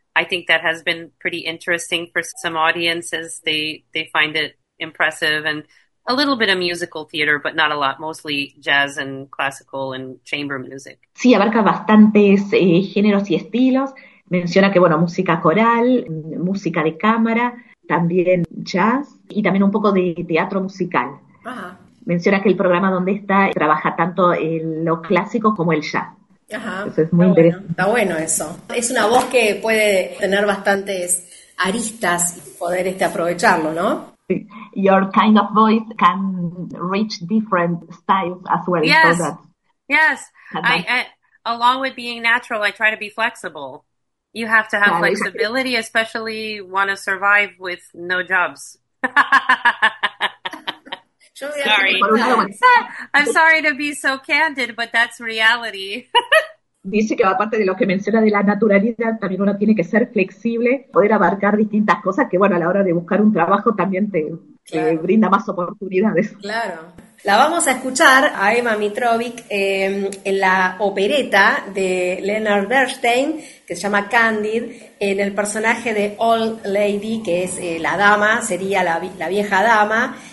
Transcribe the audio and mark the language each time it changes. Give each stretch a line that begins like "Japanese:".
English: I think that has been pretty interesting for some audiences. They find it impressive, and a little bit of musical theater, but not a lot, mostly jazz and classical and chamber music.
Spanish: Sí, abarca bastantes géneros y estilos. Menciona que, bueno, música coral, música de cámara, también jazz y también un poco de teatro musical. Ajá. Menciona que el programa donde está trabaja tanto lo clásico como el jazz. Ajá. Eso es muy interesante. Bueno, está bueno eso. Es una voz que puede tener bastantes aristas y poder aprovecharlo, ¿no?
English: Your kind of voice can reach different styles as well. Yes, so that, yes. I, along with being natural, I try to be flexible. You have to have flexibility, especially want to survive with no jobs. Sorry. I'm sorry to be so candid, but that's reality.
Spanish: Dice que aparte de lo que menciona de la naturalidad, también uno tiene que ser flexible, poder abarcar distintas cosas que, bueno, a la hora de buscar un trabajo también te brinda más oportunidades. Claro. La vamos a escuchar a Emma Mitrovic en la opereta de Leonard Bernstein, que se llama Candid, en el personaje de Old Lady, que es la dama, sería la vieja dama.